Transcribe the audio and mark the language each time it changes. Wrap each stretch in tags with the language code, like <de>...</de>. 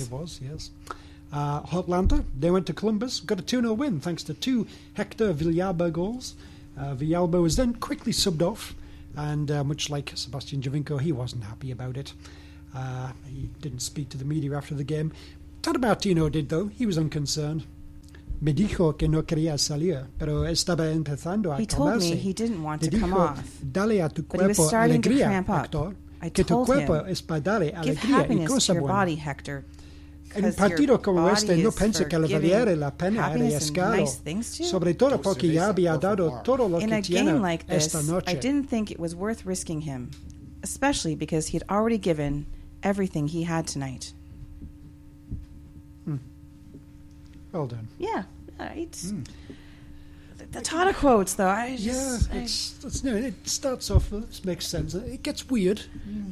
<en>It was, yes. Hotlanta, they went to Columbus, got a 2-0 win thanks to two Hector Villalba goals. Villalba was then quickly subbed off, and much like Sebastian Giovinco, he wasn't happy about it. He didn't speak to the media after the game. Tata Martino did, though. He was unconcerned.</en> <es>Me dijo que no quería salir, pero estaba empezando a tomarse.</es> <en>He told me he didn't want to come off.</en> <es>Dale a tu cuerpo alegría, Hector.</es> <en>I told him, give happiness to your body, Hector.</en> <es>En partido como este, no pensé que le valiera la pena arriesgarlo.</es> <en>Nice things to you.</en> <es>Sobre todo porque ya había dado todo lo que tiene</es> <en>like this,</en> <es>esta noche.</es> <en>I didn't think it was worth risking him. Especially because he had already given everything he had tonight. Well done. Yeah. It's the Tata quotes, though. It starts off, it makes sense. It gets weird. Mm.</en>